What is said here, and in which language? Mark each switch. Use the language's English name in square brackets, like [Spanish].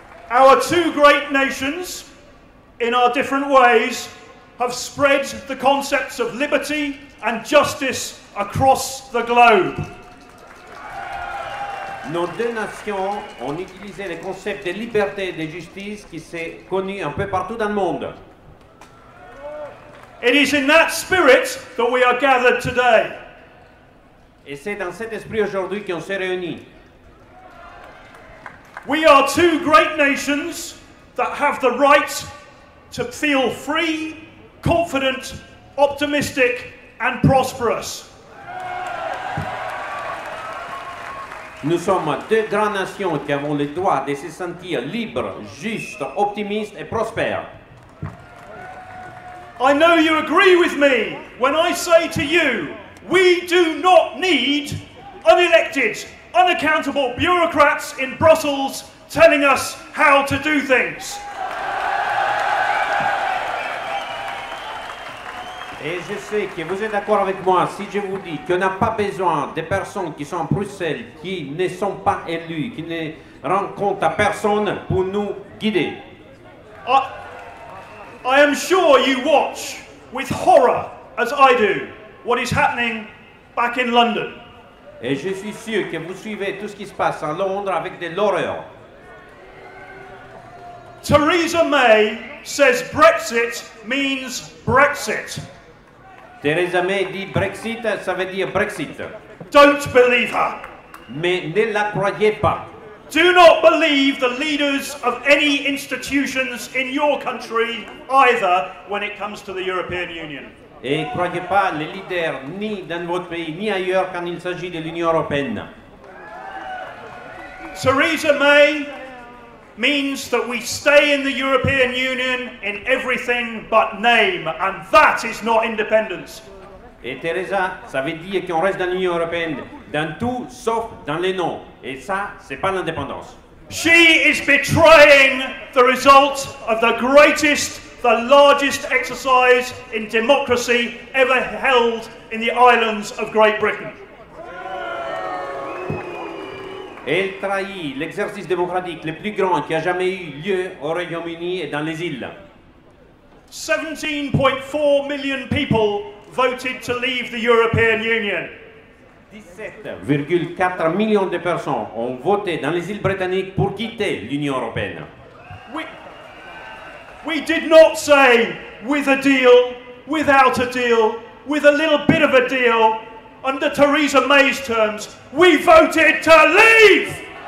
[English] Our two great nations, in our different ways, have spread the concepts of liberty and justice across the globe. [French] Nos deux nations ont utilisé les concepts de liberté et de justice qui s'est connu un peu partout dans le monde. [English] It is in that spirit that we are gathered today. [French] Et c'est dans cet esprit aujourd'hui qu'on s'est réunis. [English] We are two great nations that have the right to feel free, confident, optimistic and prosperous. [French] Nous sommes deux grandes nations qui avons le droit de se sentir libres, justes, optimistes et prospères. [English] I know you agree with me when I say to you, we do not need unelected, unaccountable bureaucrats in Brussels telling us how to do things. [French] Et je sais que vous êtes d'accord avec moi si je vous dis qu'on n'a pas besoin des personnes qui sont à Bruxelles, qui ne sont pas élues, qui ne rendent compte à personne pour nous guider. [English] I am sure you watch with horror, as I do, what is happening back in London. [French] Et je suis sûr que vous suivez tout ce qui se passe à Londres avec de l'horreur. [English] Theresa May says Brexit means Brexit. [French] Theresa May dit Brexit, ça veut dire Brexit. [English] Don't believe her. [French] Mais ne la croyez pas. [English] Do not believe the leaders of any institutions in your country either when it comes to the European Union. [French] Et croyez pas les leaders ni dans votre pays ni ailleurs quand il s'agit de l'Union européenne. [English] Theresa May means that we stay in the European Union in everything but name, and that is not independence. [French] Et Theresa, ça veut dire qu'on reste dans l'Union européenne dans tout sauf dans les noms, et ça, c'est pas l'indépendance. [English] She is betraying the result of the greatest, the largest exercise in democracy ever held in the islands of Great Britain. [French] Elle trahit l'exercice démocratique le plus grand qui a jamais eu lieu au Royaume-Uni et dans les îles. [English] 17.4 million people voted to leave the European Union. [French] 17,4 millions de personnes ont voté dans les îles britanniques pour quitter l'Union européenne. [English] We did not say with a deal, without a deal, with a little bit of a deal. Under Theresa May's terms, we voted to leave!